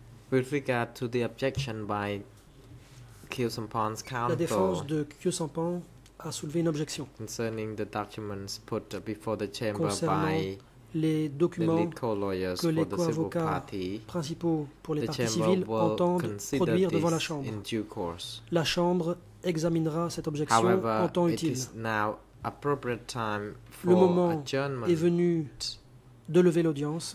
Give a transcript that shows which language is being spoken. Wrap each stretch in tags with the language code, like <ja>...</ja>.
<en>With regard to the objection by Khieu Samphan's counsel.</en> <fr>La défense de Khieu Samphan a soulevé une objection.</fr> <en>Concerning the documents put before the chamber by</en> <fr>les documents que les co-avocats principaux pour les partis civils entendent produire devant la Chambre. La Chambre examinera cette objection en temps utile. Le moment est venu de lever l'audience.</fr>